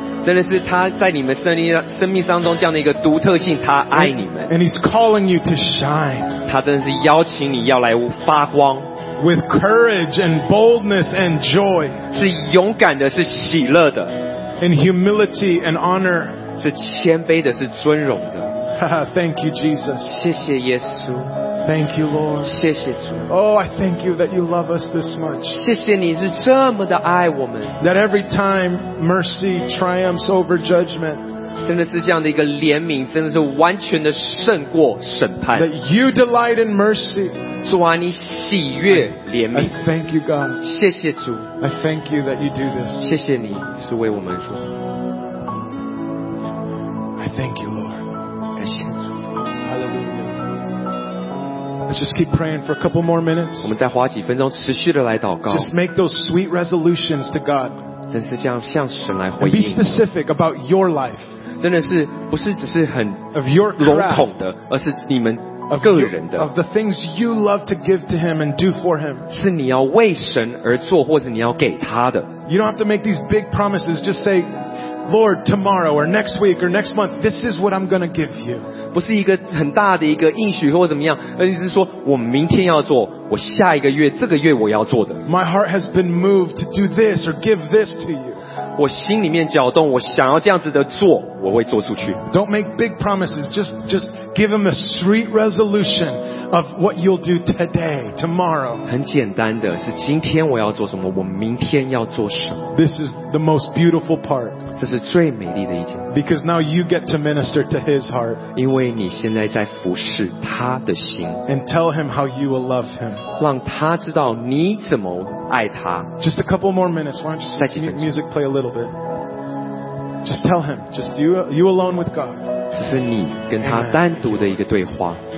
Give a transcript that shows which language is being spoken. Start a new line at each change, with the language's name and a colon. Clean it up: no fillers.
Chinese: 真的是他在你们生命当中这样的一个独特性，他爱你们。
English: And He's calling you to shine.
Chinese: 他真的是邀请你要来发光。
English: With courage and boldness and joy.
Chinese: 是勇敢的，是喜乐的。
English: And humility and honor.
Chinese: 是谦卑的，是尊荣的。
English: Thank you, Jesus.
Chinese: 谢谢耶稣。
English: Thank you, Lord.
Chinese: 谢谢主。
English: Oh, I thank you that you love us this much.
Chinese: 谢谢你是这么的爱我们。
English: That every time mercy triumphs over judgment.
Chinese: 真的是这样的一个怜悯，真的是完全的胜过审判。
English: That you delight in mercy.
Chinese: 主啊，你喜悦怜悯。
English: I thank you, God.
Chinese: 谢谢主。
English: I thank you that you do this.
Chinese: 谢谢你是为我们说。
English: I thank you, Lord.
Chinese: 感谢主。
English: Let's just keep praying for a couple more minutes.
Chinese: 我们再花几分钟持续的来祷告。
English: Just make those sweet resolutions to God.
Chinese: 真是这样向神来回应。
English: Be specific about your life.
Chinese: 真的是不是只是很笼统的，而是你们个人的。
English: Of the things you love to give to Him and do for Him.
Chinese: 是你要为神而做，或者你要给他的。
English: You don't have to make these big promises. Just say, Lord, tomorrow or next week or next month, this is what I'm going to give you.
Chinese: 不是一个很大的一个应许或怎么样，而是说我明天要做，我下一个月这个月我要做的。
English: My heart has been moved to do this or give this to you.
Chinese: 我心里面搅动，我想要这样子的做，我会做出去。
English: Don't make big promises, just give him a sweet resolution of what you'll do today, tomorrow.
Chinese: 很简单的，是今天我要做什么，我明天要做什么。
English: This is the most beautiful part.
Chinese: 这是最美丽的一件。
English: Because now you get to minister to his heart.
Chinese: 因为你现在在服侍他的心。
English: And tell him how you will love him.
Chinese: 让他知道你怎么爱他。
English: Just a couple more minutes. Why don't you just music play a little bit? Just tell him. Just you alone with God.
Chinese: 这是你跟他单独的一个对话。